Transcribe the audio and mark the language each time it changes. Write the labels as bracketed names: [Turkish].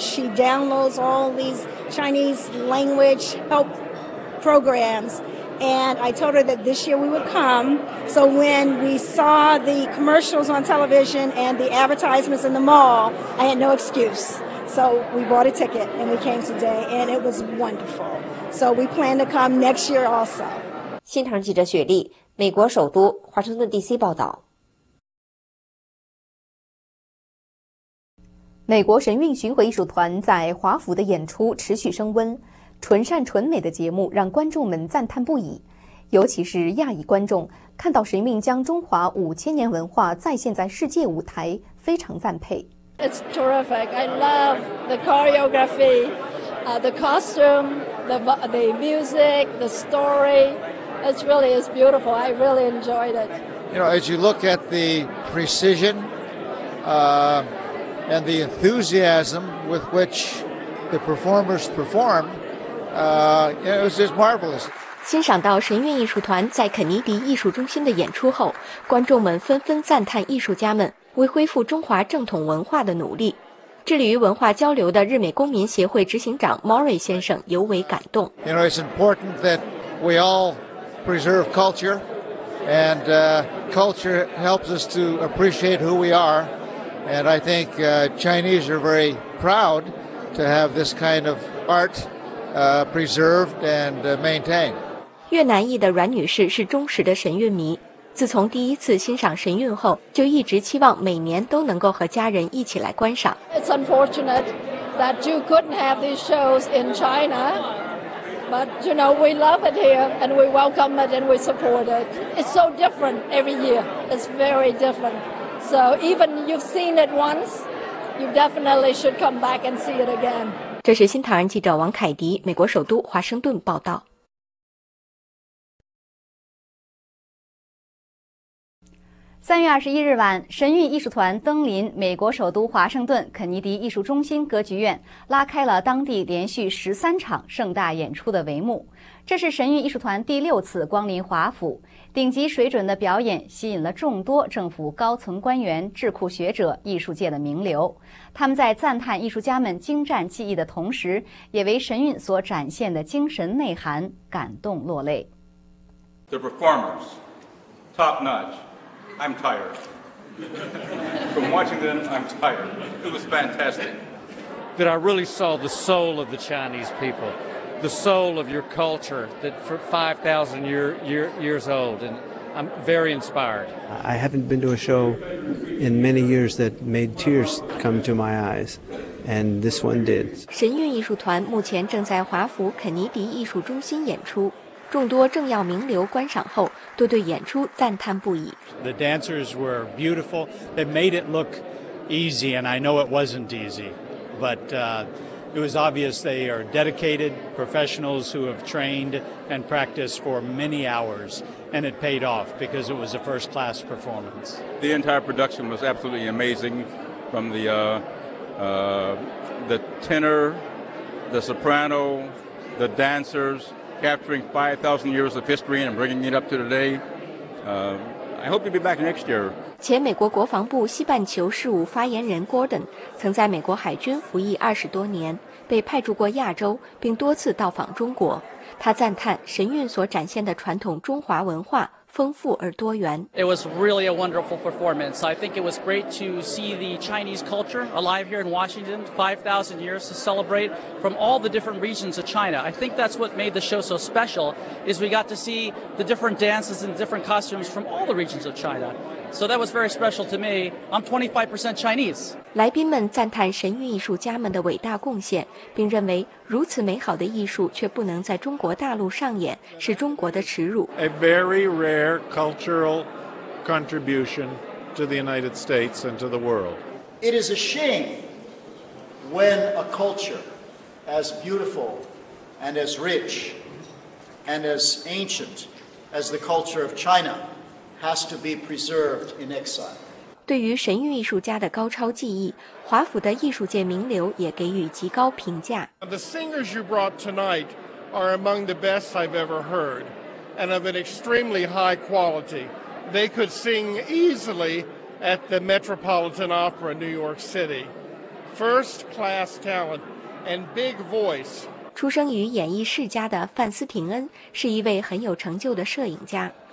[English] She downloads all these Chinese language help programs, and I told her that this year we would come. So when we saw the commercials on television and the advertisements in the mall, I had no excuse. So we bought a ticket and we came today, and it was wonderful. So we plan to come next year also. [Chinese] 新唐记者雪莉，美国首都华盛顿 DC 报道。美国神韵巡回艺术团在华府的演出持续升温，纯善纯美的节目让观众们赞叹不已，尤其是亚裔观众看到神韵将中华5000年文化再现在世界舞台，非常赞佩。 [English] It's terrific. I love the choreography, the costume, the music, the story. It's really is beautiful. I really enjoyed it. You know, as you look at the precision, and the enthusiasm with which the performers perform, it was just marvelous. [Chinese] 欣赏到神韵艺术团在肯尼迪艺术中心的演出后，观众们纷纷赞叹艺术家们为恢复中华正统文化的努力。致力于文化交流的日美公民协会执行长 Maury 先生尤为感动。 [English] You know, it's important that we all preserve culture, and culture helps us to appreciate who we are. And I think Chinese are very proud to have this kind of art preserved and maintained. [Chinese] 越南裔的阮女士是忠实的神韵迷，自从第一次欣赏神韵后，就一直期望每年都能够和家人一起来观赏。 [English] It's unfortunate that you couldn't have these shows in China, but you know we love it here and we welcome it and we support it. It's so different every year. It's very different. So even you've seen it once, you definitely should come back and see it again. [Chinese] 这是新唐人记者王凯迪，美国首都华盛顿报道。 3月21日晚，神韵艺术团登临美国首都华盛顿肯尼迪艺术中心歌剧院，拉开了当地连续13场盛大演出的帷幕。这是神韵艺术团第6次光临华府。顶级水准的表演吸引了众多政府高层官员、智库学者、艺术界的名流，他们在赞叹艺术家们精湛技艺的同时，也为神韵所展现的精神内涵感动落泪。 [English] The performers, top notch. I'm tired. From watching them, I'm tired. It was fantastic. That I really saw the soul of the Chinese people. The soul of your culture that for 5,000 years old, and I'm very inspired. I haven't been to a show in many years that made tears come to my eyes, and this one did. [Chinese] 神韵艺术团目前正在华府肯尼迪艺术中心演出，众多政要名流观赏后都对演出赞叹不已。 [English] The dancers were beautiful. They made it look easy, and I know it wasn't easy, but it was obvious they are dedicated professionals who have trained and practiced for many hours, and it paid off because it was a first-class performance. The entire production was absolutely amazing, from the tenor, the soprano, the dancers, capturing 5,000 years of history and bringing it up to today. I hope you'll be back next year. [Chinese] 前美国国防部西半球事务发言人 Gordon 曾在美国海军服役20多年，被派驻过亚洲，并多次到访中国。他赞叹神韵所展现的传统中华文化丰富而多元。 [English] It was really a wonderful performance. I think it was great to see the Chinese culture alive here in Washington, 5,000 years to celebrate from all the different regions of China. I think that's what made the show so special, is we got to see the different dances and different costumes from all the regions of China. So that was very special to me. I'm 25% Chinese. [Chinese] 来宾们赞叹神韵艺术家们的伟大贡献，并认为如此美好的艺术却不能在中国大陆上演是中国的耻辱。 [English] A very rare cultural contribution to the United States and to the world. It is a shame when a culture as beautiful and as rich and as ancient as the culture of China has to be preserved in exile. [Chinese] 对于神韵艺术家的高超技艺，华府的艺术界名流也给予极高评价。 [English] The singers you brought tonight are among the best I've ever heard, and of an extremely high quality. They could sing easily at the Metropolitan Opera, New York City. First-class talent and big voice. [Chinese] 出生于演艺世家的范斯廷恩是一位很有成就的摄影家。